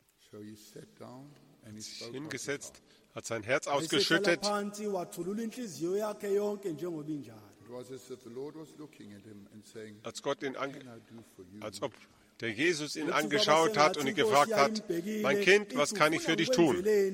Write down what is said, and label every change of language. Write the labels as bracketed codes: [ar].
[en] So he sat down and he spoke. [de] Hingesetzt, hat sein Herz ausgeschüttet. Er sagte, [zu] wathulula inhliziyo yakhe yonke njengoba injalo. [en] It was as if the Lord was looking at him and saying, [de] als Gott ihn als ob der Jesus ihn angeschaut hat und ihn gefragt hat, mein Kind, was kann ich für dich tun?